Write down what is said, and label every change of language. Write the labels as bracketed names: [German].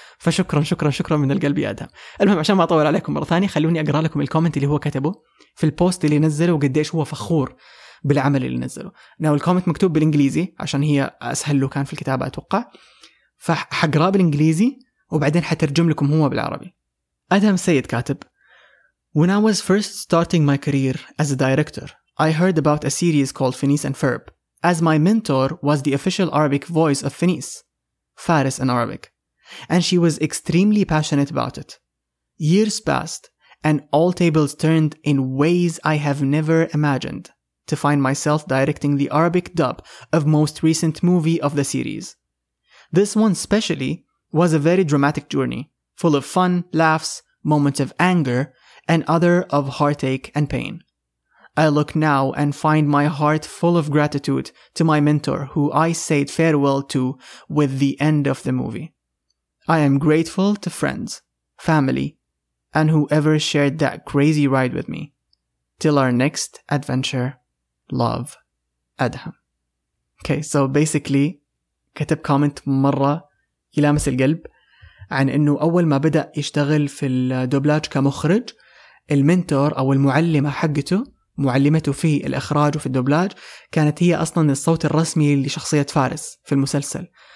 [Arabic] فشكرا شكرا شكرا من القلب يا أدهم. المهم عشان ما أطول عليكم مرة ثانية، خلوني أقرأ لكم الكومنت اللي هو كتبه في البوست اللي نزله وقديش هو فخور بالعمل اللي نزله. ناو الكومنت مكتوب بالإنجليزي عشان هي أسهل له كان في الكتابة أتوقع، فحقرأ بالإنجليزي وبعدين حترجم لكم هو بالعربي. أدهم سيد كاتب: [English] When I was first starting my career as a director, I heard about a series called Phineas and Ferb, as my mentor was the official Arabic voice of Phineas, Faris in Arabic, and she was extremely passionate about it. Years passed, and all tables turned in ways I have never imagined, to find myself directing the Arabic dub of most recent movie of the series. This one especially was a very dramatic journey, full of fun, laughs, moments of anger, and other of heartache and pain. I look now and find my heart full of gratitude to my mentor, who I said farewell to with the end of the movie. I am grateful to friends, family, and whoever shared that crazy ride with me. Till our next adventure, love, Adham. Okay, so basically, [Arabic] كتب كومنت مرة يلامس القلب عن إنه أول ما بدأ يشتغل في الدوبلاج كمخرج، المنتور أو المعلمة حقته، معلمته في الإخراج وفي الدوبلاج، كانت هي أصلاً الصوت الرسمي لشخصية فارس في المسلسل.